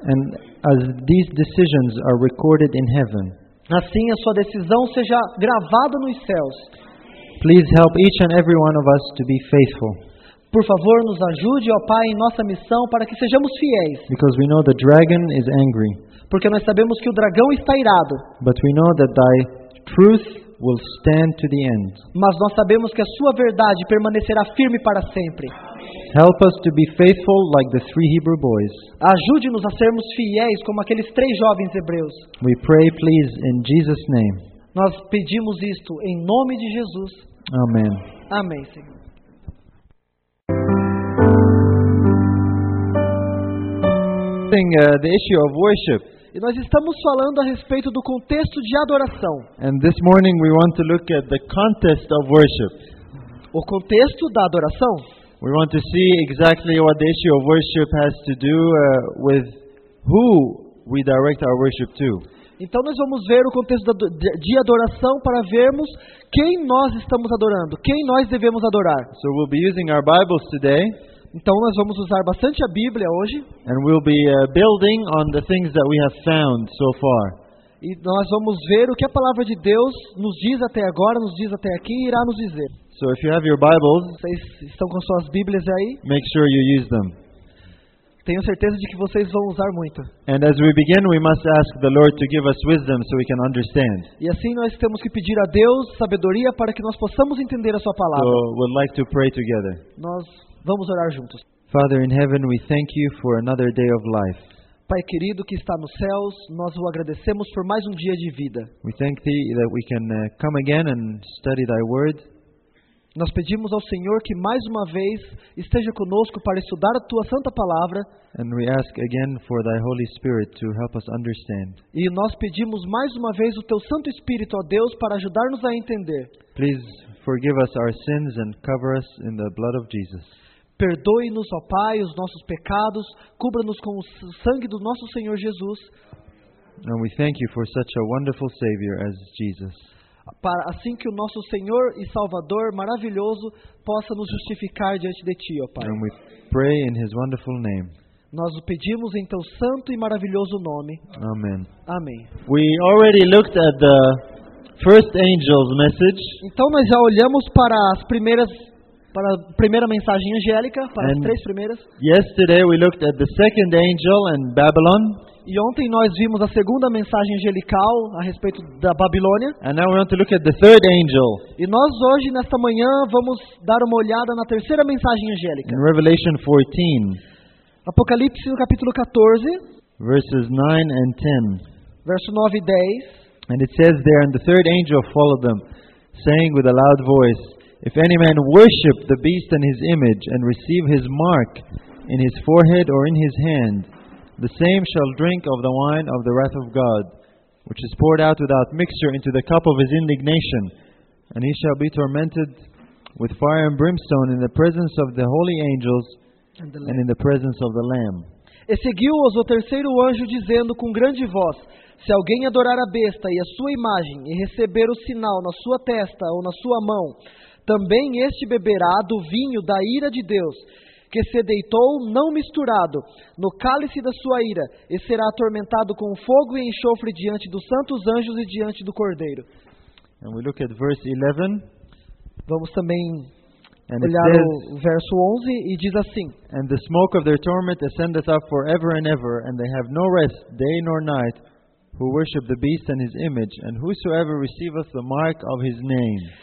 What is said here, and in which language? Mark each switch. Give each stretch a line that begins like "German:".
English: And as these decisions are recorded in heaven.
Portuguese: Assim a sua decisão seja gravada nos céus.
English: Please help each and every one of us to be faithful.
Portuguese: Por favor, nos ajude, ó Pai, em nossa missão para que sejamos fiéis.
English: Because we know the dragon is angry.
Portuguese: Porque nós sabemos que o dragão está irado.
English: But we know that thy truth will stand to the end.
Portuguese: Mas nós sabemos que a sua verdade permanecerá firme para sempre.
English: Help us to be faithful like the three Hebrew boys.
Portuguese: Ajude-nos a sermos fiéis como aqueles três jovens hebreus.
English: We pray, please, in Jesus' name.
Portuguese: Nós pedimos isto em nome de Jesus. Amém. Amém, Senhor.
English: The issue of worship.
Portuguese: E nós estamos falando a respeito do contexto de adoração.
English: And this morning we want to look at the context of worship.
Portuguese: O contexto da adoração.
English: We want to see exactly what the issue of worship has to do with who we direct our worship to.
Portuguese: Então nós vamos ver o contexto de adoração para vermos quem nós estamos adorando, quem nós devemos adorar.
English: So we'll be using our Bibles today.
Portuguese: Então nós vamos usar bastante a Bíblia hoje.
English: And we'll be building on the things that we have found so far.
Portuguese: E nós vamos ver o que a palavra de Deus nos diz até agora, nos diz até aqui e irá nos dizer.
English: So if you have your Bibles,
Portuguese: vocês estão com suas Bíblias aí?
English: Make sure you use them.
Portuguese: Tenho certeza de que vocês vão usar muito.
English: And as we begin, we must ask the Lord to give us wisdom so we can understand.
Portuguese: E assim nós temos que pedir a Deus sabedoria para que nós possamos entender a sua palavra.
English: So we'd like to pray together.
Portuguese: Nós vamos orar juntos.
English: Father in heaven, we thank you for another day of life.
Portuguese: Pai querido que está nos céus, nós o agradecemos por mais um dia de vida.
English: We thank thee that we can come again and study thy word.
Portuguese: Nós pedimos ao Senhor que mais uma vez esteja conosco para estudar a tua santa palavra.
English: And we ask again for thy Holy Spirit to help us understand.
Portuguese: E nós pedimos mais uma vez o teu Santo Espírito, ó Deus, para ajudar-nos a entender.
English: Please forgive us our sins and cover us in the blood of Jesus.
Portuguese: Perdoe-nos, ó Pai, os nossos pecados, cubra-nos com o sangue do nosso Senhor Jesus.
English: And we thank you for such a wonderful Savior as Jesus.
Portuguese: Para assim que o nosso Senhor e Salvador maravilhoso possa nos justificar diante de Ti, ó Pai.
English: And we pray in His wonderful name.
Portuguese: Nós o pedimos em Teu santo e maravilhoso nome.
English: Amen.
Portuguese: Amém.
English: We already looked at the first angel's message.
Portuguese: Então nós já olhamos para as primeiras, para a primeira mensagem angélica, para
English: and
Portuguese: as três primeiras.
English: Yesterday we looked at the second angel and Babylon.
Portuguese: E ontem nós vimos a segunda mensagem angelical a respeito da Babilônia.
English: And now we want to look at the third angel.
Portuguese: E nós hoje, nesta manhã, vamos dar uma olhada na terceira mensagem angélica.
English: In Revelation 14.
Portuguese: Apocalipse, no capítulo 14.
English: Verses 9 and 10.
Portuguese: Verso 9 e 10.
English: And it says there, and the third angel followed them, saying with a loud voice, if any man worship the beast and his image, and receive his mark in his forehead or in his hand, the same shall drink of the wine of the wrath of God, which is poured out without mixture into the cup of his indignation. And he shall be tormented with fire and brimstone in the presence of the holy angels and in the presence of the Lamb.
Portuguese: E seguiu-os o terceiro anjo, dizendo com grande voz, se alguém adorar a besta e a sua imagem, e receber o sinal na sua testa ou na sua mão, também este beberá do vinho da ira de Deus, que se deitou não misturado no cálice da sua ira, e será atormentado com fogo e enxofre diante dos santos anjos e diante do Cordeiro.
English: And we look at verse 11.
Portuguese: Vamos também and olhar says, o verso 11 e diz assim:
English: and the smoke of their torment ascendeth up forever and ever, and they have no rest day nor night, who worship the beast and his image, and whosoever receiveth the mark of his name.